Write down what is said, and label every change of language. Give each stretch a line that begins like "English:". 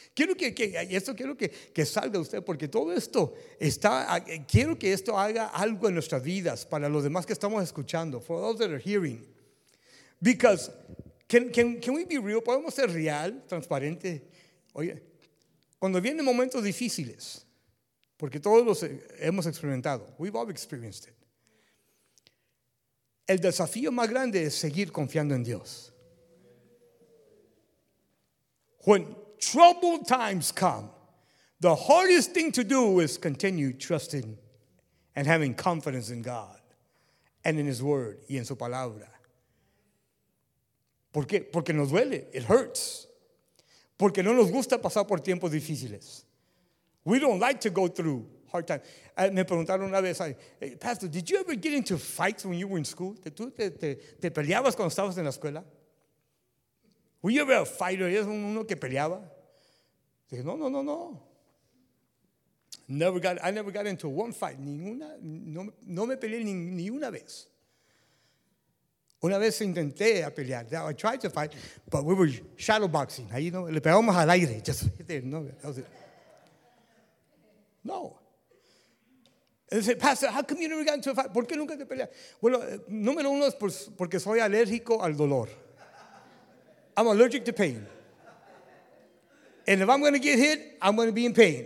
Spanish: Quiero que esto quiero que salga usted porque todo esto está quiero que esto haga algo en nuestras vidas para los demás que estamos escuchando.
English: For those that are hearing, because can we be real?
Spanish: Podemos ser real, transparente. Oye, cuando vienen momentos difíciles, porque todos los hemos experimentado.
English: We've all experienced it.
Spanish: El desafío más grande es seguir confiando en Dios.
English: When troubled times come, the hardest thing to do is continue trusting and having confidence in God and in His Word
Spanish: y en su palabra. ¿Por qué? Porque nos duele.
English: It hurts.
Spanish: Porque no nos gusta pasar por tiempos difíciles.
English: We don't like to go through hard times.
Spanish: Me preguntaron una vez,
English: Pastor, did you ever get into fights when you were in school?
Spanish: ¿Tú te peleabas cuando estabas en la escuela?
English: ¿Were you ever a fighter?
Spanish: ¿Eres uno que peleaba? Dije, no.
English: I never got into one fight.
Spanish: Ninguna, no me peleé ni una vez. Una vez intenté a pelear.
English: I tried to fight, but we were shadow boxing.
Spanish: Ahí no, le pegamos al aire.
English: Just right there. No, that was it. No. And they said, Pastor, how come you never got into a fight?
Spanish: ¿Por qué nunca te peleas? Bueno, número uno es porque soy alérgico al dolor.
English: I'm allergic to pain. And if I'm going to get hit, I'm going to be in pain.